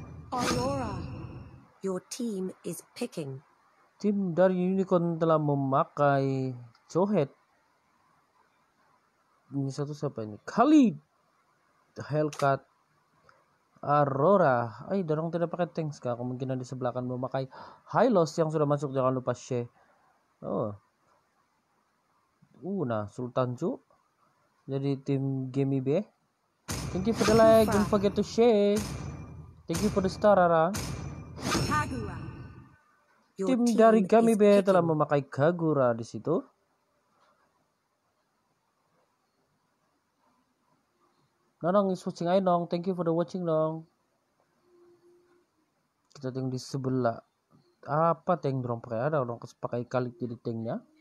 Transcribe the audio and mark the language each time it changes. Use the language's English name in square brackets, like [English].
[English] Aurora, your team is picking. [Malay] Tim dari Unicorn telah memakai Chohet. Ini satu siapa ini? Khalid, Hellcat, Aurora. Ay, dorong tidak pakai tanks kah? Kemungkinan di sebelah akan memakai Hylos yang sudah masuk. Jangan lupa share. Oh. Nah Sultan Chu. Jadi tim Gami B. [English] Thank you for the like, don't forget to share. Thank you for the star, Rara. [Malay] Kagura. Tim dari Gami B telah memakai Kagura di situ. [English] Nonong is watching, ay nong. Thank you for the watching, nong. [Malay] Kita tengok di sebelah. Apa tank dorong pakai? Ada orang pakai kali jadi tanknya.